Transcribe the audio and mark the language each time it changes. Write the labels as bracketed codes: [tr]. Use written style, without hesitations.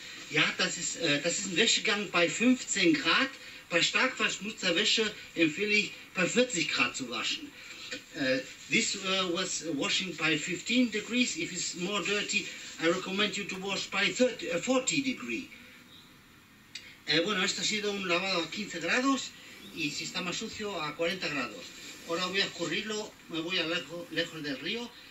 [de] Ja, das ist ein Wäschegang bei 15 Grad. Bei stark verschmutzter Wäsche empfehle ich, bei 40 Grad zu waschen. [en] This was washing by 15 degrees. If it's more dirty, I recommend you to wash by 40 degrees. [es] Bueno, esto ha sido un lavado a 15 grados y si está más sucio, a 40 grados. Ahora voy a escurrirlo, me voy a lejos del río.